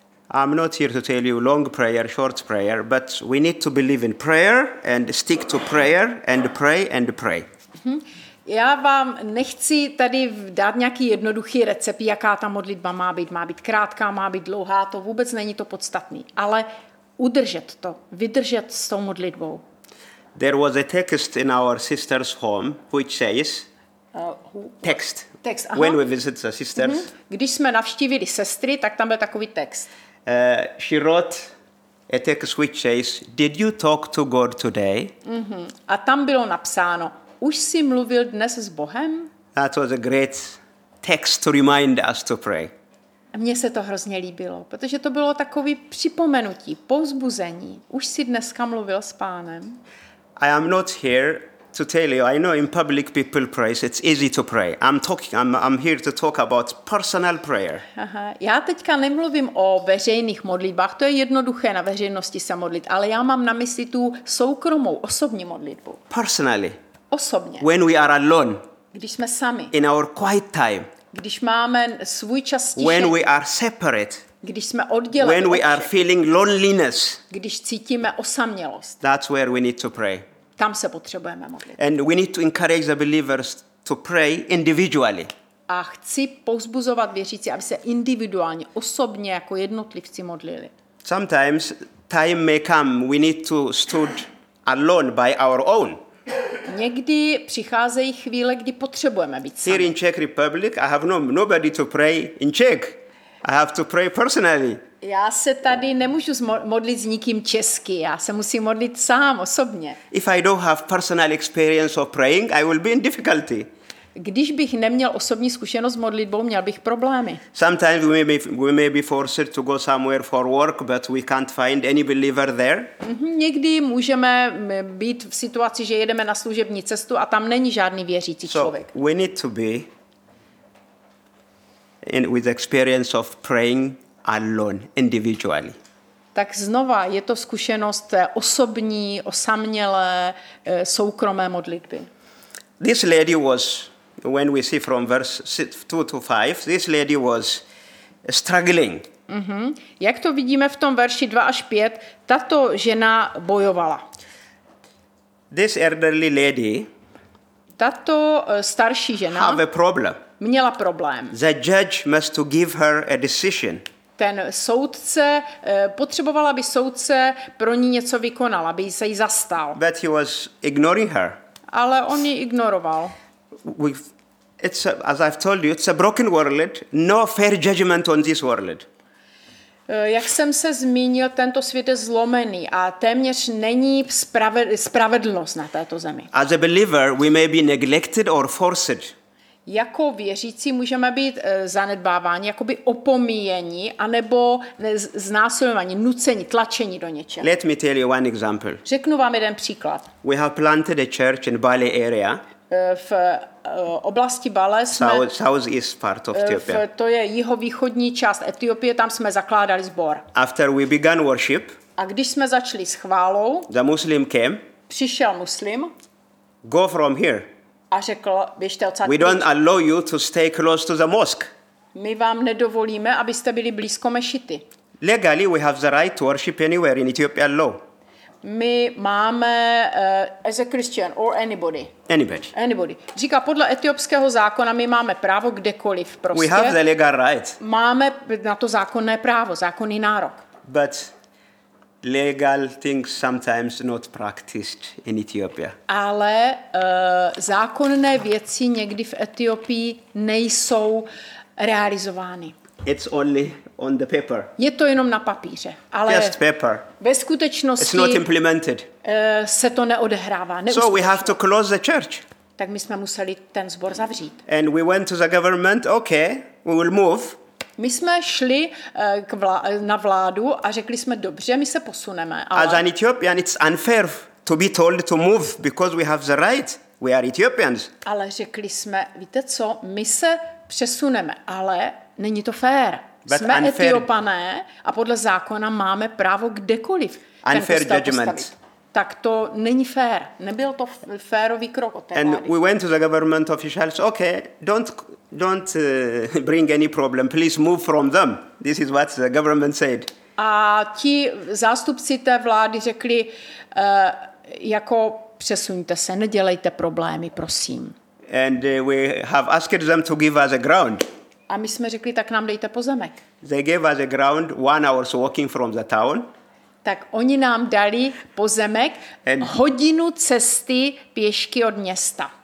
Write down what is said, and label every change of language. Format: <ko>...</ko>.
<en>I'm not here to tell you long prayer, short prayer, but we need to believe in prayer and stick to prayer and pray and pray.</en> <cs>Já vám nechci tady dát nějaký jednoduchý recept, jaká ta modlitba má být. Má být krátká, má být dlouhá, to vůbec není to podstatný. Ale udržet to, vydržet s tou modlitbou.</cs> <en>There was a text in our sister's home, which says, text. When we visit the sisters. Mm-hmm.</en> <cs>Když jsme navštívili sestry, tak tam byl takový text.</cs> <en>She wrote a text which says, did you talk to God today? Mm-hmm.</en> <cs>A tam bylo napsáno, už jsi mluvil dnes s Bohem?</cs> <en>That was a great text to remind us to pray.</en> <cs>Mně se to hrozně líbilo, protože to bylo takový připomenutí, povzbuzení. Už jsi dneska mluvil s Pánem?</cs> <en>I am not here to tell you. I know in public people pray. So it's easy to pray. I'm here to talk about personal prayer. Aha.</en> <cs>Já teďka nemluvím o veřejných modlitbách. To je jednoduché na veřejnosti se modlit, ale já mám na mysli tu soukromou, osobní modlitbu.</cs> <en>Personally.</en> <cs>Osobně.</cs> <en>When we are alone.</en> <cs>Když jsme sami.</cs> <en>In our quiet time.</en> <cs>Když máme svůj čas stišení.</cs> <en>When we are separate.</en> <cs>Když jsme odděleni.</cs> <en>When we are feeling loneliness.</en> <cs>Když cítíme osamělost.</cs> <en>That's where we need to pray.</en> <cs>Tam se potřebujeme modlit.</cs> <en>And we need to encourage the believers to pray individually.</en> <cs>A chci povzbuzovat věřící, aby se individuálně, osobně jako jednotlivci modlili.</cs> <en>Sometimes time may come we need to stood alone by our own.</en> <cs>Někdy přicházejí chvíle, kdy potřebujeme být sami.</cs> <en>Here in Czech Republic, I have nobody to pray in Czech. I have to pray personally.</en> <cs>Já se tady nemůžu modlit s nikým česky. Já se musím modlit sám, osobně.</cs> <en>If I don't have personal experience of praying, I will be in difficulty.</en> <cs>Když bych neměl osobní zkušenost s modlitbou, měl bych problémy.</cs> <en>Sometimes we may be forced to go somewhere for work, but we can't find any believer there.</en> <cs>Někdy můžeme být v situaci, že jedeme na služební cestu a tam není žádný věřící člověk.</cs> <en>So we need to be in with experience of praying alone, individually.</en> <cs>Tak znova, je to zkušenost osobní, osamělé, soukromé modlitby.</cs> <en>This lady was, when we see from verse 2 to 5, this lady was struggling.</en> <cs>Mm-hmm. Jak to vidíme v tom verši 2 až 5, tato žena bojovala.</cs> <en>This elderly lady,</en> <cs>tato starší žena,</cs> <en>have a problem.</en> <cs>Měla problém.</cs> <en>The judge must to give her a decision.</en> <cs>Ten soudce, potřebovala by soudce pro ní něco vykonal, aby se jí zastal.</cs> <en>But he was ignoring her.</en> <cs>Ale on ji ignoroval.</cs> <en>As I've told you, it's a broken world, no fair judgment on this world.</en> <cs>Jak jsem se zmínil, tento svět je zlomený a téměř není spravedlnost na této zemi.</cs> <en>As a believer, we may be neglected or forced.</en> <cs>Jako věřící můžeme být zanedbáváni, jakoby opomíjeni, anebo znásilňováni, nuceni, tlačeni do něčeho.</cs> <en>Let me tell you one example.</en> <cs>Řeknu vám jeden příklad.</cs> <en>We have planted a church in Bali area.</en> <cs>V oblasti Bale jsme,</cs> <en>south-east part of Ethiopia.</en> <cs>To je jihovýchodní část Etiopie, tam jsme zakládali sbor.</cs> <en>After we began worship,</en> <cs>a když jsme začali s chválou,</cs> <en>the Muslim came,</en> <cs>přišel Muslim,</cs> <en>go from here.</en> <cs>A řekl, běžte odsad.</cs> <en>We don't allow you to stay close to the mosque.</en> <cs>My vám nedovolíme, abyste byli blízko mešity.</cs> <en>Legally we have the right to worship anywhere in Ethiopia law.</en> <cs>My máme</cs> <en>as a Christian or anybody. Anybody. Anybody.</en> <cs>Říká, podle etiopského zákona my máme právo kdekoliv prostě.</cs> <en>We have the legal right.</en> <cs>Máme na to zákonné právo, zákonný nárok.</cs> <en>But legal things sometimes not practiced in Ethiopia.</en> <cs>Ale zákonné věci někdy v Etiopii nejsou realizovány.</cs> <en>It's only on the paper.</en> <cs>Je to jenom na papíře, ale</cs> <en>just paper.</en> <cs>Ve skutečnosti</cs> <en>it's not implemented.</en> <cs>Se to neodehrává.</cs> <en>So we have to close the church.</en> <cs>Tak my jsme museli ten sbor zavřít.</cs> <en>And we went to the government. Okay, we will move.</en> <cs>My jsme šli na vládu a řekli jsme dobře, my se posuneme.</cs> <en>As an Ethiopian, it's unfair to be told to move because we have the right. We are Ethiopians.</en> <cs>Ale řekli jsme, víte co, my se přesuneme, ale není to fair.</cs> <en>But</en> <cs>jsme</cs> <en>unfair.</en> <cs>Etiopané a podle zákona máme právo kdekoliv.</cs> <en>Unfair judgment.</en> <cs>Tak to není fér. Nebyl to férový krok od té vlády.</cs> <en>And we went to the government officials. Okay, don't bring any problem. Please move from them. This is what the government said.</en> <cs>A ti zástupci té vlády řekli, jako přesuňte se, nedělejte problémy, prosím.</cs> <en>And we have asked them to give us a ground.</en> <cs>A my jsme řekli, tak nám dejte pozemek.</cs> <en>They gave us a ground 1 hour's walking from the town.</en> <cs>Tak oni nám dali pozemek</cs> <en>and</en> <cs>hodinu cesty pěšky od města.</cs>